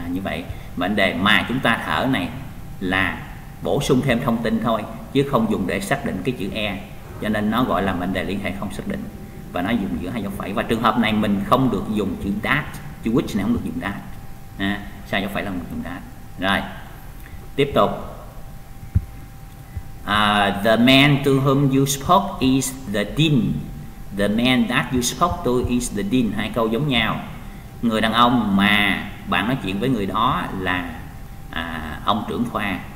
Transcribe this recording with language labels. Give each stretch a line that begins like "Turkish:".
Vietnamese: Như vậy mệnh đề mà chúng ta thở này là bổ sung thêm thông tin thôi, chứ không dùng để xác định cái chữ e, cho nên nó gọi là mệnh đề liên hệ không xác định, và nó dùng giữa hai dấu phẩy. Và trường hợp này mình không được dùng chữ that, chữ which này không được dùng that, sao dấu phẩy là không được dùng that. Rồi, tiếp tục.
English: The man to whom you spoke is the dean. The man that you spoke to is the dean.
Vietnamese: Hai câu giống nhau. Người đàn ông mà bạn nói chuyện với người đó là ông trưởng khoa.